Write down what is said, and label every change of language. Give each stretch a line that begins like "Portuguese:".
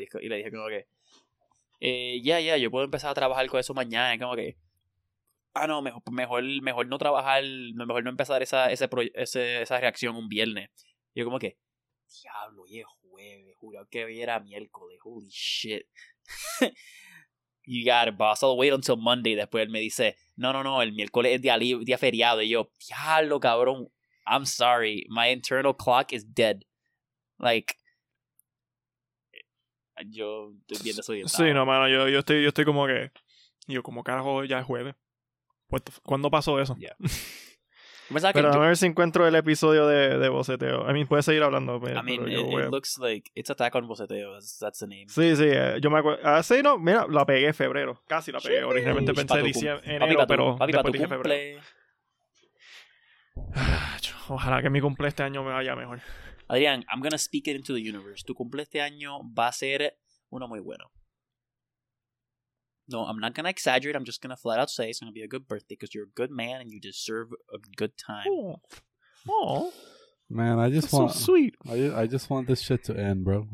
Spanish: Y le dije como que... Yeah, yo puedo empezar a trabajar con eso mañana. Como que... Ah, no, mejor no trabajar, mejor no empezar esa reacción un viernes. Y yo como que... Diablo, y es jueves, jurado que viera miércoles,
English: holy shit. You got it, boss, I'll wait until Monday. Después él me dice, no, el miércoles es día feriado.
Spanish: Y yo, diablo, cabrón,
English: I'm sorry, my internal clock is dead.
Spanish: Like, yo estoy bien desorientado. Sí, no, mano, yo estoy como que, yo como carajo, ya es jueves. ¿Cuándo pasó eso? Yeah. Pero a ver si encuentro el episodio de Boceteo.
English: I mean,
Spanish: puedes seguir hablando.
English: I mean,
Spanish: pero
English: it looks like it's Attack on Boceteo. That's the name.
Spanish: Sí, sí. Yo me acuerdo. Ah, sí, no. Mira, la pegué en febrero. Casi la pegué. Originalmente pensé en enero, pero después dije febrero. Ojalá que mi cumple este año me vaya mejor.
English: Adrián, I'm gonna speak it into the universe.
Spanish: Tu cumple este año va a ser uno muy bueno.
English: No, I'm not gonna exaggerate. I'm just gonna flat out say it's gonna be a good birthday because you're a good man and you deserve a good time. Oh, man, so sweet. I just want this shit to end, bro.